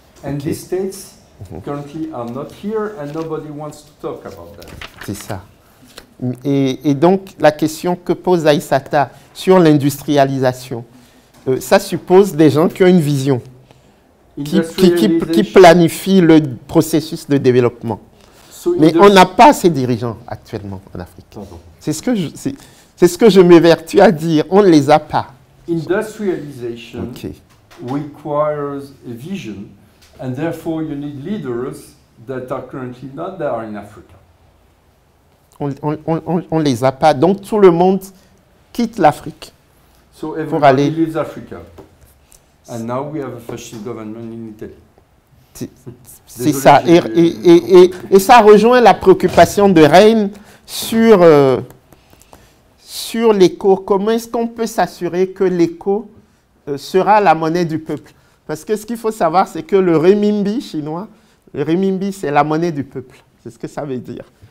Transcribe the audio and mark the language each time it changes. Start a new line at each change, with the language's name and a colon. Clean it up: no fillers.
English: And these states currently are not here and nobody wants to talk about that.
French: C'est ça. Et donc, la question que pose Aissata sur l'industrialisation, ça suppose des gens qui ont une vision, qui planifient le processus de développement. Mais on n'a pas ces dirigeants actuellement en Afrique. C'est ce que je m'évertue à dire, on ne les a pas.
English: Industrialization requires a vision, and therefore you need leaders that are currently not there in Africa.
French: On les a pas. Donc tout le monde quitte l'Afrique pour aller.
English: Leaves Africa. And now we have a fascist government in Italy.
French: C'est ça. Et ça rejoint la préoccupation de Reine sur l'écho. Comment est-ce qu'on peut s'assurer que l'écho sera la monnaie du peuple? Parce que ce qu'il faut savoir, c'est que le renminbi chinois, le renminbi, c'est la monnaie du peuple. C'est ce que ça veut dire.